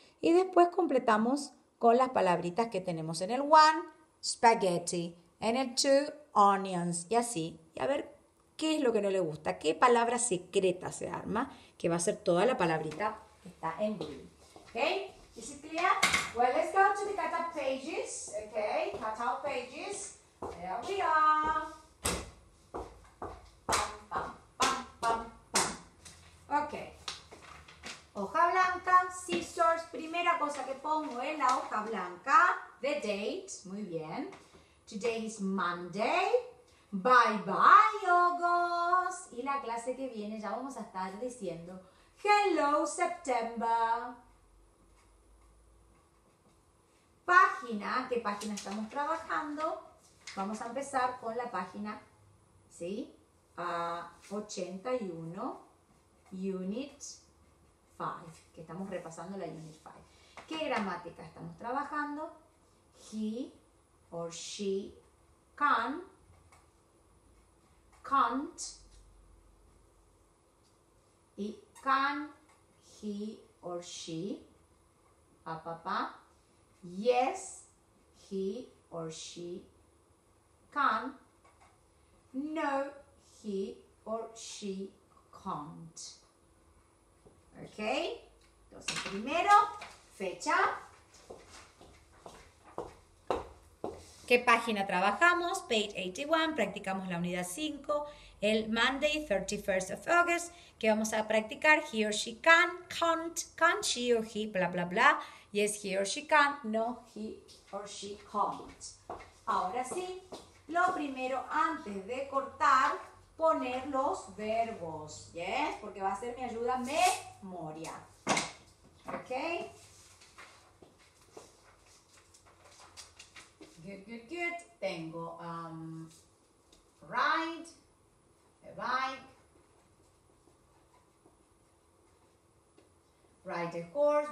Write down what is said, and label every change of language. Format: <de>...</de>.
<es>Y después completamos con las palabritas que tenemos en el 1, spaghetti, en el 2, onions, y así. Y a ver, ¿qué es lo que no le gusta? ¿Qué palabra secreta se arma? Que va a ser toda la palabrita que está en blue.</es> <en>Okay? Is it clear? Well, let's go to the cutout pages. Okay? Cutout pages. There we are. Pam, pam, pam, pam, pam. Okay.</en> <es>Hoja blanca, scissors. Primera cosa que pongo en la hoja blanca.</es> <en>The date.</en> <es>Muy bien.</es> <en>Today is Monday. Bye bye, August.</en> <es>Y la clase que viene ya vamos a estar diciendo</es> <en>hello, September.</en> <es>página, qué página estamos trabajando, vamos a empezar con la página, ¿sí? A 81, Unit 5, que estamos repasando la Unit 5. ¿Qué gramática estamos trabajando?</es> <en>He or she can, can't, y can he or she, yes, he or she can, no, he or she can't.</en> <es>Ok, entonces primero, fecha. ¿Qué página trabajamos?</es> <en>Page 81,</en> <es>practicamos la unidad 5, el</es> <en>Monday, 31st of August.</en> <es>¿Qué vamos a practicar?</es> <en>He or she can, can't, can she or he, bla, bla, bla. Yes, he or she can, no, he or she can't.</en> <es>Ahora sí, lo primero antes de cortar, poner los verbos, ¿yes? Porque va a ser mi ayuda memoria, ¿ok?</es> <en>Good, good, good. Tengo ride, a bike, ride a horse.</en>